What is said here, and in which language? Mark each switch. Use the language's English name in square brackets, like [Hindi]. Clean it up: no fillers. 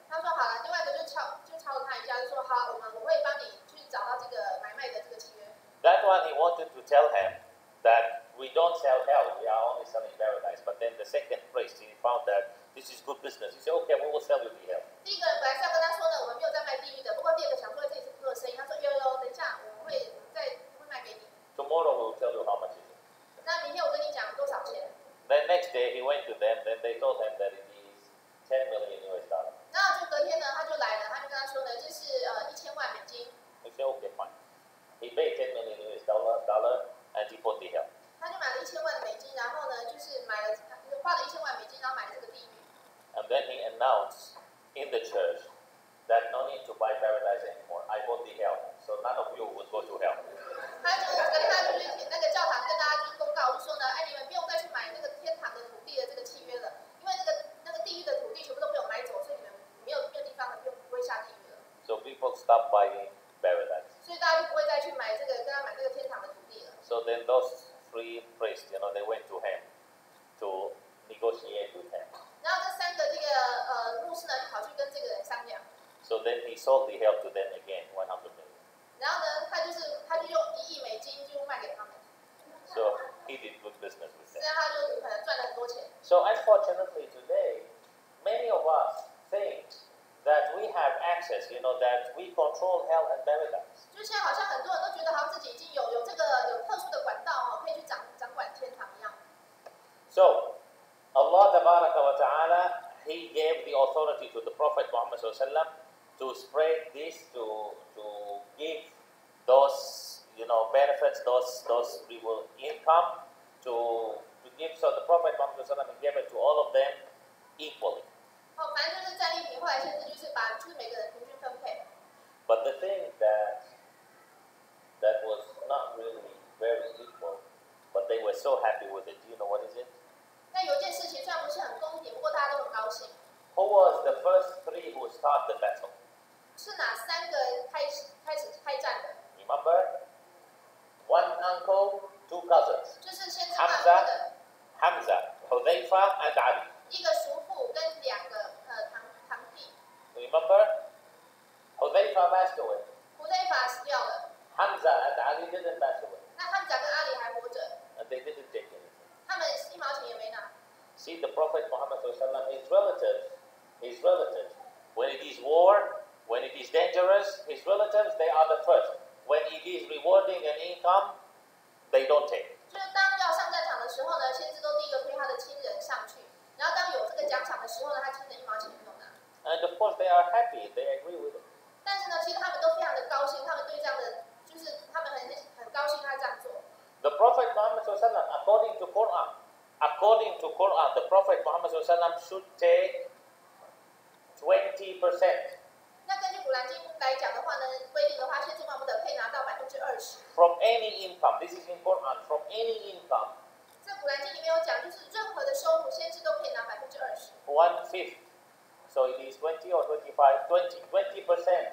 [Chinese] 他说好了，另外一个就敲他一下，就说好，我会帮你去找到这个买卖的这个契约。 [English] That one he wanted to tell him that we don't sell hell, we are only selling paradise. But then the second priest he found that this is good business. He said, okay, we will sell you the hell. [Chinese] 第一个人本来是要跟他说呢，我们没有在卖地狱的。不过第二个想说这是不做生意，他说哟哟，等一下我会卖给你。 [English] Tomorrow we'll tell you how much is it. [Chinese] 那明天我跟你讲多少钱。 [English] Then next day he went to them, then they told him that it is $10 million. [Chinese] 那就隔天呢，他就来了，他就跟他说呢，这是$10,000,000. [English] He said, okay, fine. He paid $10 million and he bought the hell. [Chinese] 他就买了$10,000,000，然后呢，就是买了，花了$10,000,000，然后买了这个地狱。 [English] And then he announced in the church that no need to buy paradise anymore. I bought the hell, so none of you would go to hell. [Chinese] 他就隔天他就去那个教堂跟大家就公告，就说呢，哎，你们不用再去买那个天堂的土地的这个契约了，因为那个地狱的土地全部都被我买走，所以你们没有地方了，就不会下地狱了。 [English] So people stop buying paradise. [Chinese] 所以大家就不会再去买这个跟他买这个天堂的土地了。 [English] So then those three priests, you know, they went to him to negotiate with him. [Chinese] 然后这三个这个牧师呢，就跑去跟这个人商量。 [English] So then he sold the hell to them again, $100 million. [Chinese] 然后呢，他就用$1,000,000就卖给他们。 [English] So he did good business with them. [Chinese] 所以他就可能赚了很多钱。 [English] So unfortunately today, many of us think that we have access, you know, that we control hell and paradise. [Chinese] 就现在好像很多人都觉得好像自己已经有这个有特殊的管道哦，可以去掌管天堂一样。 [English] So Allah tabaraka wa ta'ala, he gave the authority to the Prophet Muhammad sallallahu alaihi wasallam. To spread this, to give those, you know, benefits, those reward income, to give. So the Prophet Muhammad sallallahu alaihi wasallam gave it to all of them equally. [Chinese] 哦，反正就是在一平化的限制，就是把就是每个人平均分配。 [English] But the thing that was not really very equal, but they were so happy with it. Do you know what is it? [Chinese] 那有件事情虽然不是很公平，不过大家都很高兴。 [English] Who was the first three who started the battle? [Chinese] 是哪三个开始战的？ [English] Remember? One uncle, two cousins. [Chinese] 就是先是爸爸的。 [English] Hamza, Hudhayfa and Ali. [Chinese] 一个叔父跟两个堂弟。 [English] Remember? Hudhayfa passed away. [Chinese] Hudhayfa 死掉了。 [English] Hamza and Ali didn't pass away. [Chinese] 那 Hamza 跟 Ali 还活着。 [English] And they didn't take anything. [Chinese] 他们一毛钱也没拿。 [English] See the Prophet Muhammad ﷺ, his relatives, when it is war, when it is dangerous, his relatives, they are the first. When it is rewarding an income, they don't take. [Chinese] 就是当要上战场的时候呢，先知都第一个推他的亲人上去。然后当有这个奖赏的时候呢，他亲人一毛钱都没有拿。 [English] And of course they are happy, they agree with it. [Chinese] 但是呢，其实他们都非常的高兴，他们对这样的，就是他们很高兴他这样做。 [English] The Prophet Muhammad ﷺ, according to Quran,According to Quran, the Prophet Muhammad ﷺ should take 20%. [Chinese] 那根据古兰经来讲的话呢，规定的话，先知穆罕默德可以拿到20%。 [English] From any income, this is in Quran. From any income. [Chinese] 在古兰经里面有讲，就是任何的收入，先知都可以拿20%。 [English] One fifth. So it is 20 or 25. 20%.